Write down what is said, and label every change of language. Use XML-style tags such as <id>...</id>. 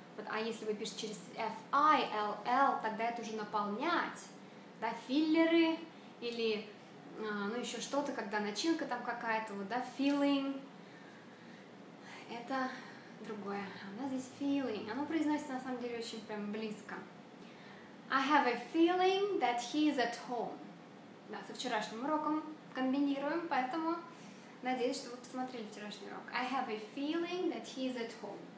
<ru>А если вы пишете через F-I-L-L, тогда это уже наполнять, да, филлеры или, ну, еще что-то, когда начинка там какая-то, вот, да, feeling, это другое. У нас здесь feeling, оно произносится, на самом деле, очень прям близко.</ru> <en>I have a feeling that he is at home.</en> <ru>Да, со вчерашним уроком комбинируем, поэтому надеюсь, что вы посмотрели вчерашний урок.</ru> <en>I have a feeling that he is at home.</en>